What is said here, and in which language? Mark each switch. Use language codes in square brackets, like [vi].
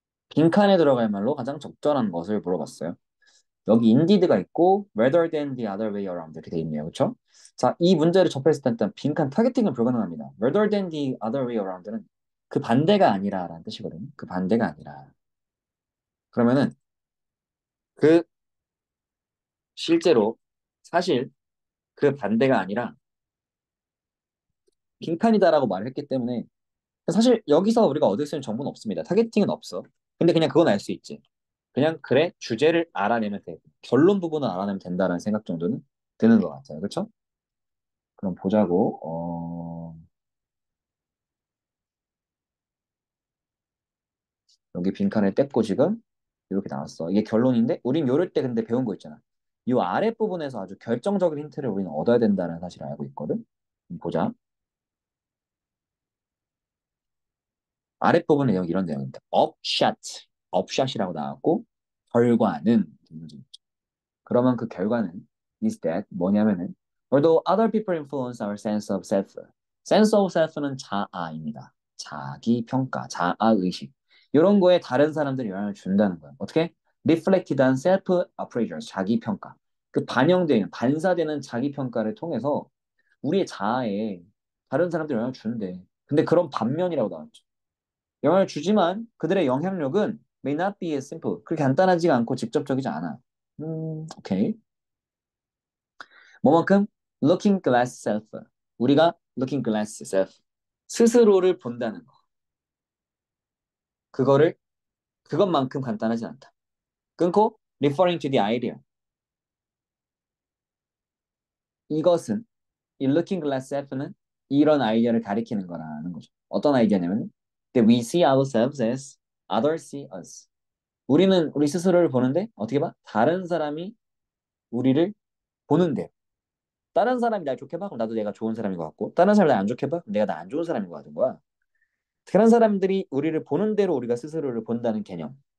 [ko] 빈칸에 들어갈 말로 가장 적절한 것을 물어봤어요. 여기 indeed가 있고 [en] rather than the other way around [ko] 이렇게 돼 있네요. 그렇죠? 자, 이 문제를 접했을 때 일단 빈칸 타겟팅은 불가능합니다. [en] rather than the other way around [ko] 는 그 반대가 아니라라는 뜻이거든요. 그 반대가 아니라. 그러면은 그 실제로 사실 그 반대가 아니라 빈칸이다라고 말을 했기 때문에 사실 여기서 우리가 얻을 수 있는 정보는 없습니다. 타겟팅은 없어. 근데 그냥 그건 알수 있지. 그냥 그래 주제를 알아내면 돼. 결론 부분을 알아내면 된다라는 생각 정도는 드는 것 같아요. 그렇죠? 그럼 보자고. 여기 빈칸을 뗐고 지금 이렇게 나왔어. 이게 결론인데 우린 요럴 때 근데 배운 거 있잖아. 요 아래 부분에서 아주 결정적인 힌트를 우리는 얻어야 된다는 사실을 알고 있거든. 보자. 아래 부분의 내용 이런 내용인데 업샷. 업샷이라고 나왔고 결과는 그러면 그 결과는 is that 뭐냐면은 [en] although other people influence our sense of self, [ko] sense of self는 자아입니다. 자기 평가, 자아 의식 이런 거에 다른 사람들이 영향을 준다는 거예요. 어떻게? [en] reflected on self appraisal, [ko] 자기 평가 그 반영되는 반사되는 자기 평가를 통해서 우리의 자아에 다른 사람들이 영향을 주는데 근데 그런 반면이라고 나왔죠. 영향을 주지만 그들의 영향력은 [en] may not be as simple. [ko] 그렇게 간단하지가 않고 직접적이지 않아. 오케이. 뭐만큼? [en] Looking glass self. [ko] 우리가 [en] looking glass self. [ko] 스스로를 본다는 거. 그것만큼 간단하지 않다. 끊고, [en] referring to the idea. [ko] 이것은, 이 looking glass self는 이런 아이디어를 가리키는 거라는 거죠. [en] 어떤 아이디어냐면, that we see ourselves as others see us. [ko] 우리는 우리 스스로를 보는데, 어떻게 봐? 다른 사람이 우리를 보는데. 다른 사람이 날 좋게 봐? 그럼 나도 내가 좋은 사람인 것 같고, 다른 사람이 날안 좋게 봐? 그럼 내가 나안 좋은 사람인 것 같은 거야. 그런 사람들이 우리를 보는 대로 우리가 스스로를 본다는 개념.